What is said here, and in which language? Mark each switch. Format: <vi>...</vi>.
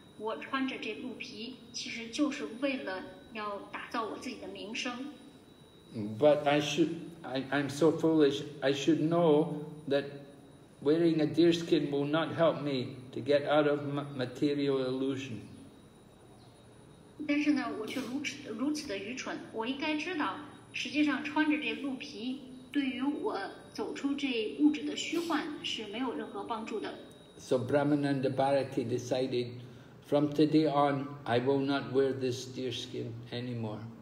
<zh>我穿着这鹿皮，其实就是为了要打造我自己的名声。</zh> <en>But I should, I'm so foolish. I should know that wearing a deer skin will not help me to get out of material illusion.</en> <zh>但是呢，我却如此的愚蠢。我应该知道，实际上穿着这鹿皮，对于我走出这物质的虚幻是没有任何帮助的。</zh> <en>So Brahmananda Bharati decided. From today on, I will not wear this deer skin anymore.</en>